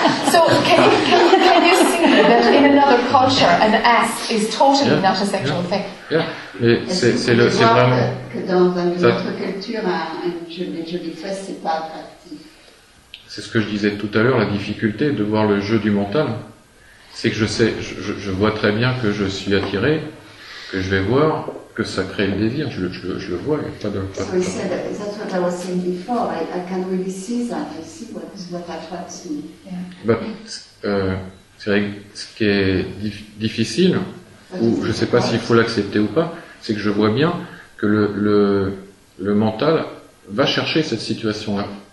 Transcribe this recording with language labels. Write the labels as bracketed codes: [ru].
[en] So can you see that in another culture, an ass is totally not a sexual thing? [fr] Yeah. Mais c'est vraiment. Que dans une autre culture, un joli fesse, c'est pas attractif. C'est ce que je disais tout à l'heure, la difficulté de voir le jeu du mental. C'est que je vois très bien que je suis attiré, que je vais voir, que ça crée le désir. Je le vois, il n'y a pas de problème. [en] So he said, that's what I was saying before. I can't really see that. I see what attracts me. [fr] Yeah. But, c'est vrai que ce qui est difficile, ou je ne sais pas s'il faut l'accepter ou pas, c'est que je vois bien que le mental va chercher cette situation-là.